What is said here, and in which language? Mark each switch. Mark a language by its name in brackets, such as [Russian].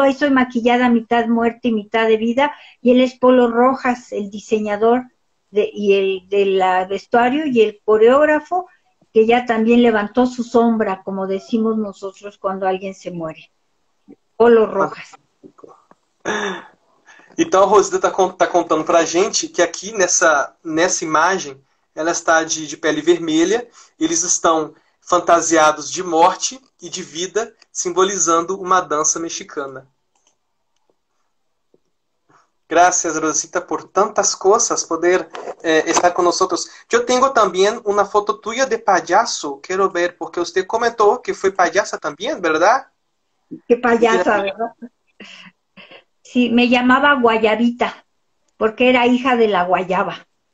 [Spanish] Ahí soy maquillada mitad muerte y mitad de vida, y él es Polo Rojas, el diseñador del vestuario y el coreógrafo, que ya también levantó su sombra, como decimos nosotros cuando alguien se muere. Polo Rojas. [Portuguese] Então, a Rosita tá contando pra gente que aqui nessa imagem ela está de pele vermelha, eles estão fantasiados de morte e de vida, simbolizando uma dança mexicana. [Spanish] Gracias, Rosita, [Portuguese] por tantas coisas, poder estar com nós. Eu tenho também uma foto tuya de palhaço, quero ver, porque você comentou que foi palhaça também, verdade? Que palhaça, verdade? [Spanish] Sí, me llamaba Guayabita, porque era hija de la guayaba.